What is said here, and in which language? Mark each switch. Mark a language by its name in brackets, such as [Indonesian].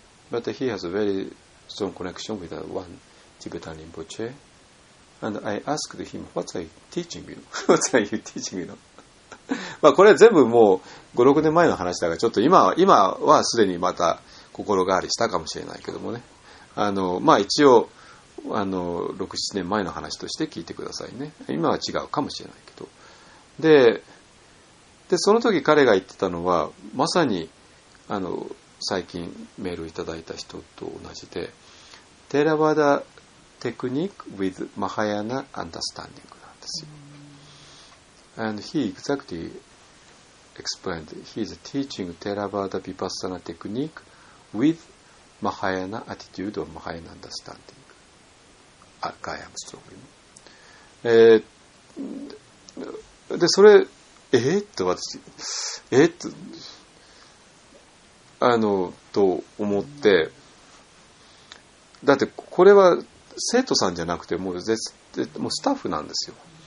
[English] But he has a very strong connection with one Tibetan Rinpoche. And I asked him, what are you teaching you? [Japanese] まあこれ全部もう5、6年前の話だから、ちょっと今はすでにまた心変わりしたかもしれないけどもね。まあ一応、6、7年前の話として聞いてくださいね。今は違うかもしれないけど。で、その時彼が言ってたのは、まさに、最近メールいただいた人と同じで、テラバダテクニック with マハヤナアンダースタンディングなんですよ。 [English] And he exactly explained he is teaching Theravada Vipassana technique with Mahayana attitude or Mahayana understanding. Guy Armstrong. [Japanese] で、それ、と思って、だってこれは生徒さんじゃなくて、もうスタッフなんですよ。